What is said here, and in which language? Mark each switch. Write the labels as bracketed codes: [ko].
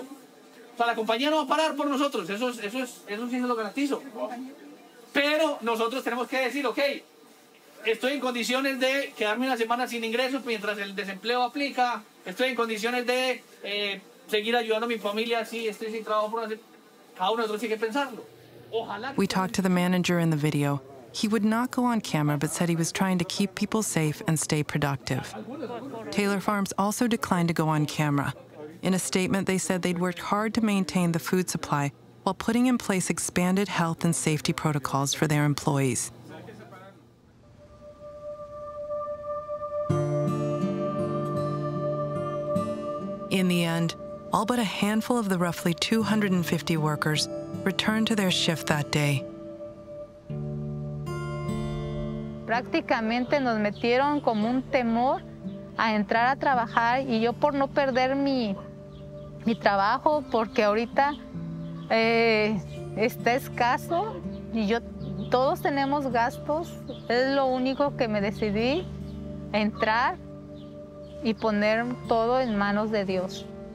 [es] O sea, la compañía no va a parar por nosotros. Eso sí se lo garantizo. Pero nosotros tenemos que decir, ok, estoy en condiciones de quedarme una semana sin ingresos mientras el desempleo aplica. Estoy en condiciones de seguir ayudando a mi familia si estoy sin trabajo. Por una Cada uno de nosotros tiene que pensarlo. [en] We talked to the manager in the video. He would not go on camera, but said he was trying to keep people safe and stay productive. Taylor Farms also declined to go on camera. In a statement, they said they'd worked hard to maintain the food supply while putting in place expanded health and safety protocols for their employees. In the end, all but a handful of the roughly 250 workers returned to their shift that day. [es] Prácticamente nos metieron como un temor a entrar a trabajar y yo por no perder mi trabajo porque ahorita está escaso y yo todos tenemos gastos, es lo único que me decidí entrar y poner todo en manos de Dios.